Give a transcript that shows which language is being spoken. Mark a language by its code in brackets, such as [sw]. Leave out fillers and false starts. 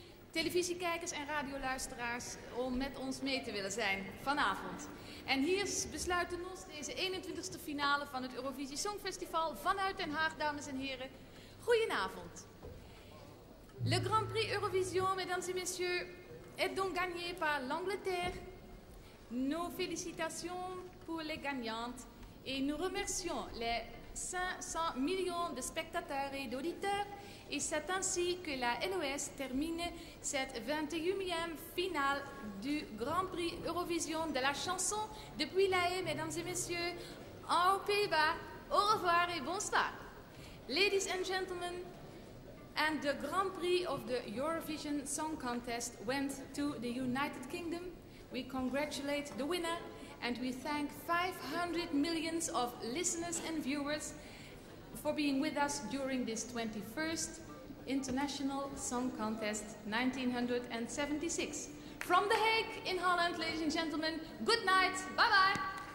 [nl] Televisiekijkers en radioluisteraars om met ons mee te willen zijn vanavond. En hier besluiten ons deze 21ste finale van het Eurovisie Songfestival vanuit Den Haag, dames en heren. Goedenavond. [fr] Le Grand Prix Eurovision, mesdames et messieurs, est donc gagné par l'Angleterre. Nos félicitations pour les gagnantes et nous remercions les 500 millions de spectateurs et d'auditeurs. Et c'est ainsi que la NOS termine cette 21e finale du Grand Prix Eurovision de la chanson depuis La Haye, mesdames et messieurs, en Pays-Bas. Au revoir et bonsoir. [en] Ladies and gentlemen, and the Grand Prix of the Eurovision Song Contest went to the United Kingdom. We congratulate the winner and we thank 500 millions of listeners and viewers for being with us during this 21st International Song Contest 1976. From The Hague in Holland, ladies and gentlemen, good night, bye bye.